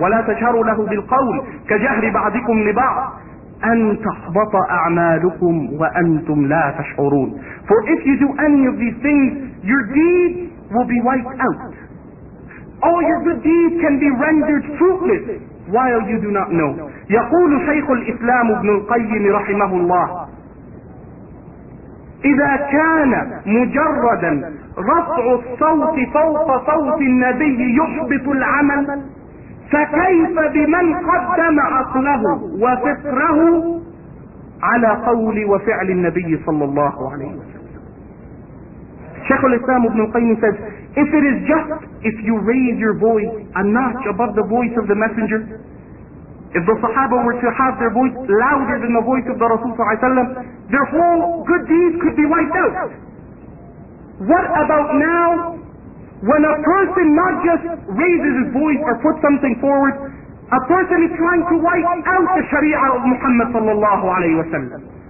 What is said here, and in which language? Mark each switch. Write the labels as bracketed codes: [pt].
[ar] وَلَا تَجْهَرُوا لَهُ بِالْقَوْلِ كَجَهْرِ بَعْضِكُمْ لِبَعْضٍ أَنْ تَحْبَطَ أَعْمَالُكُمْ وَأَنْتُمْ لَا تَشْعُرُونَ. [en] For if you do any of these things, your deeds will be wiped out. All your good deeds can be rendered fruitless while you do not know. [ar] يقول شيخ الإسلام ابن القيم رحمه الله إذا كان مجردا رفع الصوت فوق صوت النبي يحبط العمل فكيف بمن قدم عقله وفكره على قول وفعل النبي صلى الله عليه وسلم. [en] Shaykh al-Islam ibn al-Qayyim says, if it is just if you raise your voice a notch above the voice of the Messenger, if the Sahaba were to have their voice louder than the voice of the Rasul sallallahu alayhi wa sallam, Their whole good deeds could be wiped out. What about now when a person not just raises his voice or puts something forward, a person is trying to wipe out the Sharia of Muhammad sallallahu alayhi wa sallam.